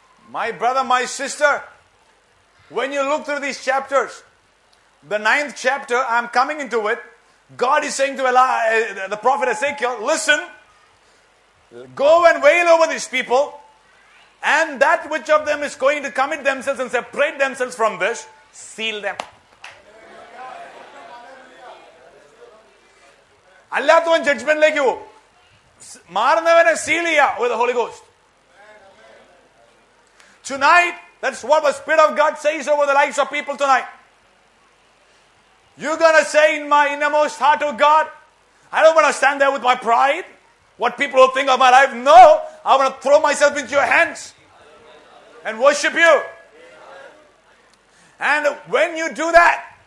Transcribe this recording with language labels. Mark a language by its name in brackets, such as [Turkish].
[English] My brother, my sister, when you look through these chapters, the 9th chapter, I'm coming into it. God is saying to the prophet Ezekiel, listen, go and wail over these people, and that which of them is going to commit themselves and separate themselves from this, seal them. [Malayalam] അല്ലാത്തവൻ ജഡ്ജ്മെന്റിലേക്ക് പോകും, മാറുന്നവനെ seal ചെയ്യുക [English] With holy ghost. Tonight, that's what the Spirit of God says over the lives of people tonight. You're going to say in my innermost heart, oh God, I don't want to stand there with my pride, what people will think of my life. No, I want to throw myself into your hands and worship you. And when you do that,